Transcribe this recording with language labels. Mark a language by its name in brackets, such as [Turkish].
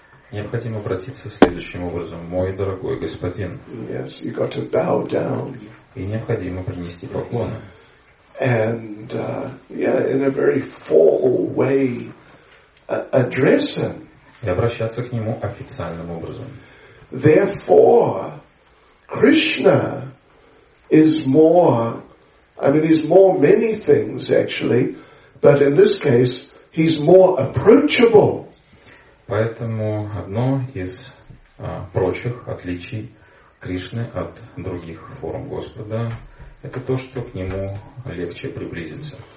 [Russian] Необходимо обратиться следующим образом, мой дорогой господин. [English] Yes, you gotta bow down. [Russian] И необходимо принести поклоны. [English] And in a very formal way address him. [Russian] И обращаться к нему официальным образом. [English] Therefore, Krishna is more many things actually, but in this case, he's more approachable. [Russian] Поэтому одно из прочих отличий Кришны от других форм Господа это то, что к нему легче приблизиться.